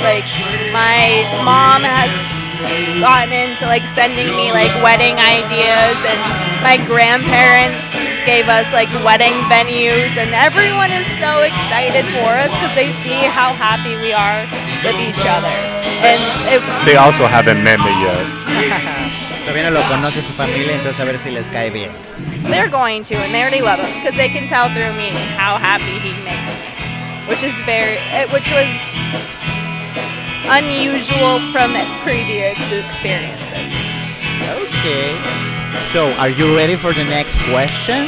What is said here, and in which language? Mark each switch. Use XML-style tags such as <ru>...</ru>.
<en>Like my mom has gotten into like sending me like wedding ideas, and my grandparents gave us like wedding venues, and everyone is so excited for us because they see how happy we are with each other. And they also haven't met me yet.</en> <es>También lo conoce su familia, entonces a ver si les cae bien.</es> <en>They're going to, and they already love him because they can tell through me how happy he makes me. which was unusual from previous experiences. Okay. So, are you ready for the next question?</en>